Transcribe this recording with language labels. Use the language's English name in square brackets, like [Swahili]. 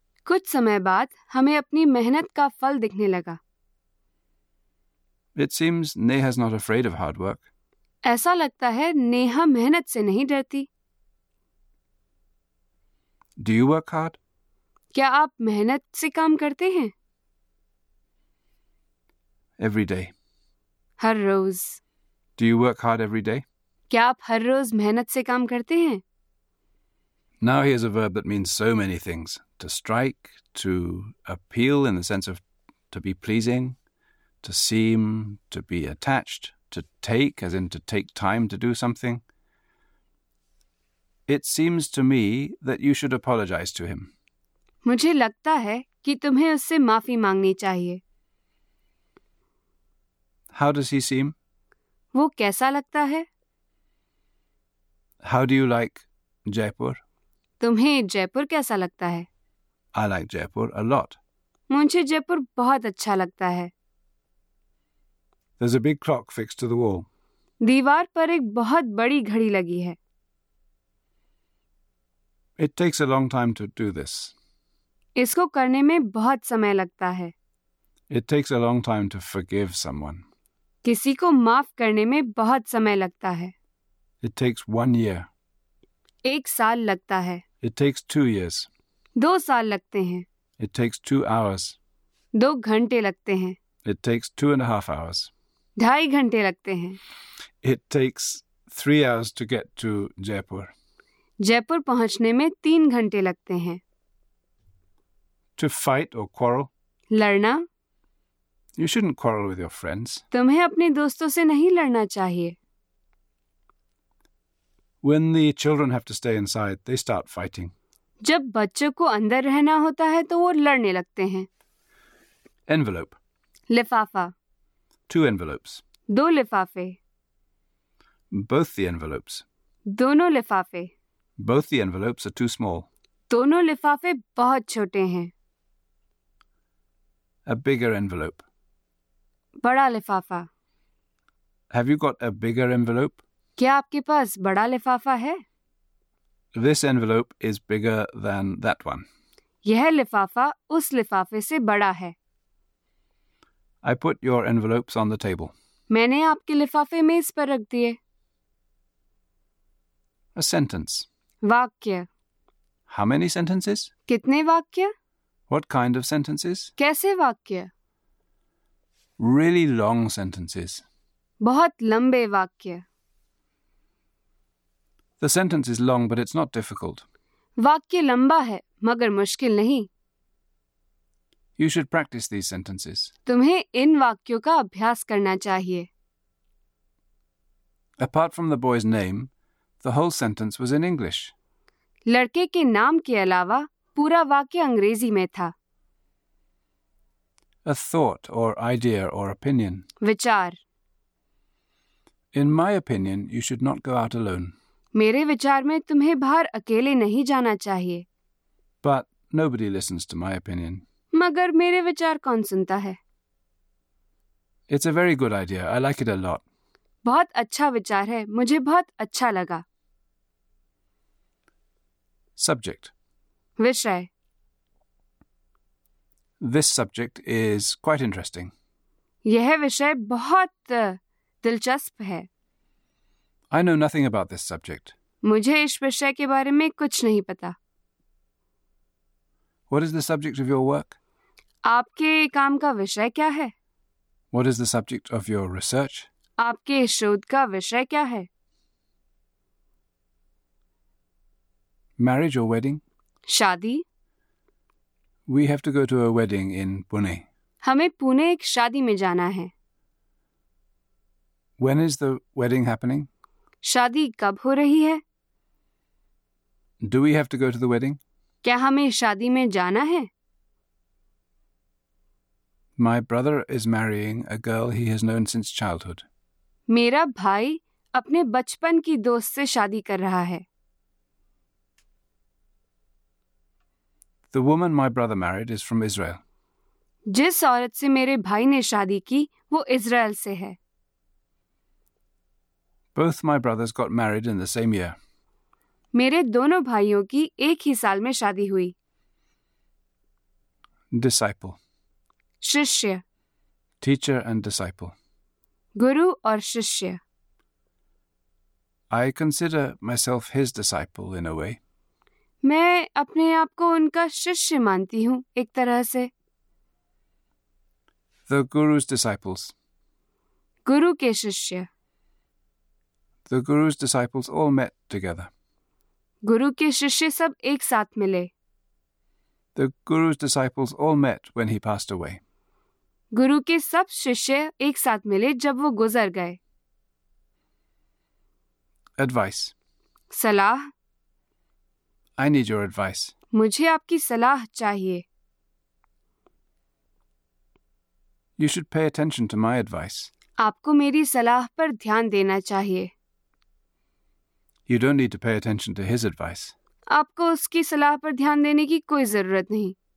[Hindi] कुछ समय बाद हमें अपनी मेहनत का फल दिखने लगा। [English] It seems Neha's not afraid of hard work. [Hindi] ऐसा लगता है नेहा मेहनत से नहीं डरती। [English] Do you work hard? [Hindi] क्या आप मेहनत से काम करते हैं? [English] Every day. [Hindi] हर rose. [English] Do you work hard every day? [Hindi] क्या आप हर रोज मेहनत से काम करते हैं? [English] Now here's a verb that means so many things. To strike, to appeal in the sense of to be pleasing, to seem, to be attached, to take, as in to take time to do something. It seems to me that you should apologize to him. [Hindi] मुझे लगता है कि तुम्हें उससे माफी मांगनी चाहिए। [English] How does he seem? [Hindi] वो कैसा लगता है? [English] How do you like Jaipur? [Hindi] तुम्हें जयपुर कैसा लगता है? [English] I like Jaipur a lot. [Hindi] मुझे जयपुर बहुत अच्छा लगता है। [English] There's a big clock fixed to the wall. [Hindi] दीवार पर एक बहुत बड़ी घड़ी लगी है। [English] It takes a long time to do this. [Hindi] इसको करने में बहुत समय लगता है। [English] It takes a long time to forgive someone. [Hindi] किसी को माफ करने में बहुत समय लगता है। [English] It takes 1 year. [Hindi] एक साल लगता है। [English] It takes 2 years. [Hindi] दो साल लगते हैं। [English] It takes 2 hours. [Hindi] दो घंटे लगते हैं। [English] It takes 2.5 hours. [Hindi] ढाई घंटे लगते हैं। [English] It takes 3 hours to get to Jaipur. [Hindi] Jaipur पहुंचने में 3 घंटे लगते हैं। [English] To fight or quarrel. [Hindi] लड़ना। [English] You shouldn't quarrel with your friends. [Hindi] तुम्हें अपने दोस्तों से नहीं लड़ना चाहिए. [English] When the children have to stay inside, they start fighting. [Hindi] जब बच्चों को अंदर रहना होता है तो वो लड़ने लगते हैं. [English] Envelope. [Hindi] लिफाफा. [English] Two envelopes. [Hindi] दो लिफाफे. [English] Both the envelopes. [Hindi] दोनों लिफाफे. [English] Both the envelopes are too small. [Hindi] दोनों लिफाफे बहुत छोटे हैं. [English] A bigger envelope. [Hindi] बड़ा लिफाफा. [English] Have you got a bigger envelope? [Hindi] क्या आपके पास बड़ा लिफाफा है? [English] This envelope is bigger than that one. [Hindi] यह लिफाफा उस लिफाफे से बड़ा है. [English] I put your envelopes on the table. [Hindi] मैंने आपके लिफाफे मेज पर रख दिए. [English] A sentence. [Hindi] वाक्य. [English] How many sentences? [Hindi] कितने वाक्य? [English] What kind of sentences? [Hindi] कैसे वाक्य? [English] Really long sentences. [Hindi] बहुत लंबे वाक्य. [English] The sentence is long, but it's not difficult. [Hindi] वाक्य लंबा है, मगर मुश्किल नहीं. [English] You should practice these sentences. [Hindi] तुम्हें इन वाक्यों का अभ्यास करना चाहिए. [English] Apart from the boy's name, the whole sentence was in English. [Hindi] लड़के के नाम के अलावा पूरा वाक्य अंग्रेजी में था. [English] A thought or idea or opinion. [Hindi] विचार. [English] In my opinion, you should not go out alone. [Hindi] मेरे विचार में तुम्हें बाहर अकेले नहीं जाना चाहिए. [English] But nobody listens to my opinion. [Hindi] मगर मेरे विचार कौन सुनता है? [English] It's a very good idea. I like it a lot. [Hindi] बहुत अच्छा विचार है. मुझे बहुत अच्छा लगा. [English] Subject. [Hindi] विषय. [English] This subject is quite interesting. [Hindi] यह विषय बहुत दिलचस्प है. [English] I know nothing about this subject. [Hindi] मुझे इस विषय के बारे में कुछ नहीं पता. [English] What is the subject of your work? [Hindi] आपके काम का विषय क्या है? [English] What is the subject of your research? [Hindi] आपके शोध का विषय क्या है? [English] Marriage or wedding? [Hindi] शादी. [English] We have to go to a wedding in Pune. [Hindi] हमें पुणे एक शादी में जाना है. [English] When is the wedding happening? [Hindi] शादी कब हो रही है? [English] Do we have to go to the wedding? [Hindi] क्या हमें शादी में जाना है? [English] My brother is marrying a girl he has known since childhood. [Hindi] मेरा भाई अपने बचपन की दोस्त से शादी कर रहा है. [English] The woman my brother married is from Israel. [Hindi] जिस औरत से मेरे भाई ने शादी की वो इज़राइल से है. [English] Both my brothers got married in the same year. [Hindi] मेरे दोनों भाइयों की एक ही साल में शादी हुई. [English] Disciple. [Hindi] शिष्य. [English] Teacher and disciple. [Hindi] गुरु और शिष्य. [English] I consider myself his disciple in a way. [Hindi] मैं अपने आप को उनका शिष्य मानती हूँ एक तरह से. [English] The guru's disciples. [Hindi] गुरु के शिष्य. [English] The guru's disciples all met together. [Hindi] गुरु के शिष्य सब एक साथ मिले. [English] The guru's disciples all met when he passed away. [Hindi] गुरु के सब शिष्य एक साथ मिले जब वो गुजर गए. [English] Advice. [Hindi] सलाह. [English] I need your advice. [Hindi] मुझे आपकी सलाह चाहिए. [English] You should pay attention to my advice. [Hindi] आपको मेरी सलाह पर ध्यान देना चाहिए. [English] You don't need to pay attention to his advice. [Hindi] आपको उसकी सलाह पर ध्यान देने की कोई जरूरत नहीं.